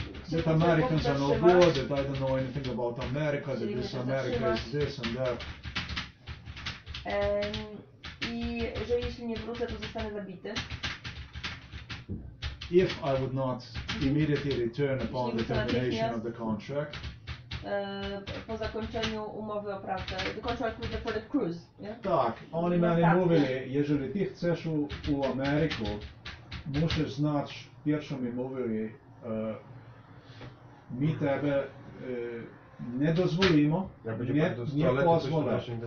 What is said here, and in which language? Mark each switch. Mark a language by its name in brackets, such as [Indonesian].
[English] That Americans are no good, that I don't know anything about America, that this America is this and that. [Polish] I że jeśli nie wrócę, to zostanę zabity. [English] If I would not immediately return upon the termination of the contract. [Polish] Po zakończeniu umowy o pracę. [English] The contract with the Philip Cruz. Yeah? [Polish] Tak, oni mnie mówili, jeżeli ty chcesz u Ameryku, musisz znać, pierwszą mi mówili, [Russian] my tebe nie dozwolimy, [Polish] nie pozwolę.